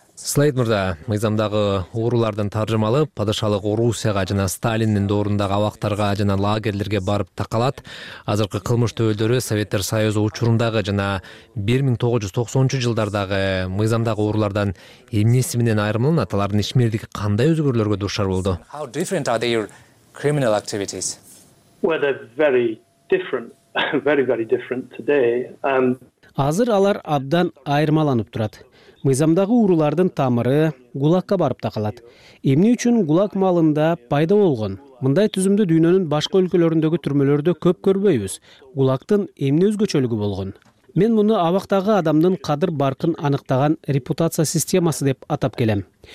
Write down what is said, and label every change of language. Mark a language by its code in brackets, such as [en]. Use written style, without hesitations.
[ky] Слейт мырза, мыйзамдагы уурлардын таржымалы падышалык Орусияга жана Сталиндин доорундагы абактарга жана лагерлерге барып такалат. Азыркы кылмыш төбөлдөрү Советтер Союзу учурундагы жана 1990 жылдардагы мыйзамдагы уурлардан эмнеси менен айырмаланат? Алардын ишмердиги кандай өзгөрүүлөргө дуушар болду? [en] How different are their criminal activities? Well, they're very different, very, very different today. [ky] Азыр алар абдан айырмаланып турат. Мыйзамдагы уурлардын тамыры гулакка барып такалат. Эмне үчүн гулак маалында пайда болгон? Мындай түзүмдү дүйнөнүн башка өлкөлөрүндөгү түрмөлөрдө көп көрбөйбүз. Гулактын эмне өзгөчөлүгү болгон? Мен муну абактагы адамдын кадыр баркын аныктаган репутация системасы деп атап келем.